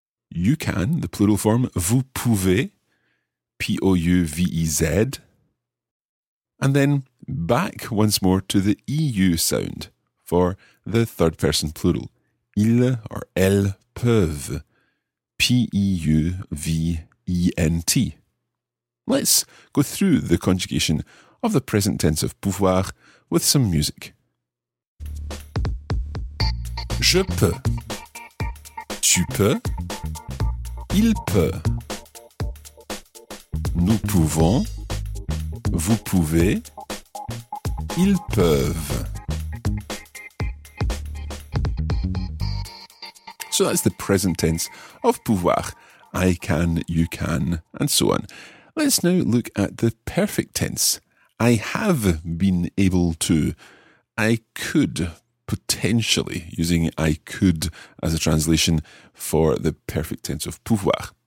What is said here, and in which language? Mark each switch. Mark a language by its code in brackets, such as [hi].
[en] You can, the plural form, [fr] vous pouvez. [en] P-O-U-V-E-Z. And then back once more to the E-U sound for the third person plural. [fr] Ils [en] or [fr] elles peuvent. [en] P-E-U-V-E-N-T. Let's go through the conjugation of the present tense of pouvoir with some music. [fr] Je peux. Tu peux. Il peut. Nous pouvons, vous pouvez, ils peuvent. [en] So that's the present tense of pouvoir. I can, you can, and so on. Let's now look at the perfect tense. I have been able to. I could, potentially, using I could as a translation for the perfect tense of pouvoir.